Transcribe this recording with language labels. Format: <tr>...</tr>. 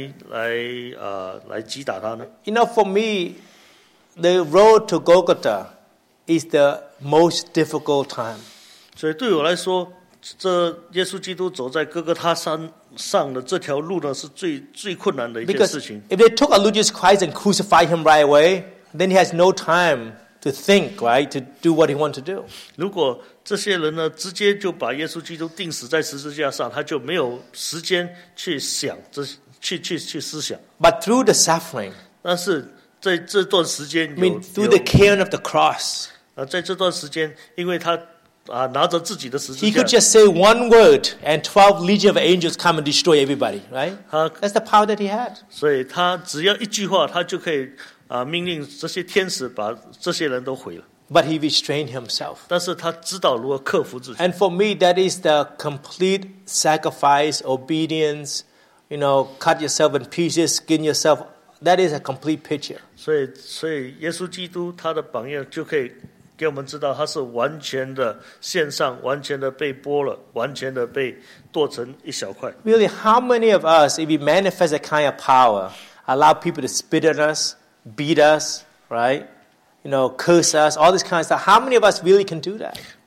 <zh>然后做这一些事情来击打他呢？</zh> <en>You know, for me, the road to Golgotha is the most difficult time.</en> <zh>所以对我来说， 这耶稣基督走在哥哥他山上的这条路呢，是最困难的一件事情。</zh> <en>Because if they took a Lord Jesus Christ and crucified him right away, then he has no time to think, right, to do what he wants to do.</en> <zh>如果这些人呢，直接就把耶稣基督钉死在十字架上，他就没有时间去想这，去思想。</zh> <en>But through the suffering,</en> <zh>但是在这段时间，</zh> <en>through the caring of the cross,</en> <zh>在这段时间，因为他</zh> <en>He could just say one word and 12 legions of angels come and destroy everybody, right? That's the power that he had.</en> <zh>所以他只要一句话，他就可以命令这些天使把这些人都毁了。</zh> <en>But he restrained himself.</en> <zh>但是他知道如何克服自己。</zh> <en>And for me, that is the complete sacrifice, obedience, you know, cut yourself in pieces, skin yourself. That is a complete picture.</en> <zh>所以耶稣基督他的榜样就可以给我们知道，他是完全的献上，完全的被剥了，完全的被剁成一小块。</zh> <en>Really, how many of us, if we manifest a kind of power, allow people to spit at us, beat us, right? You know, curse us, all this kind of stuff. How many of us really can do that?</en>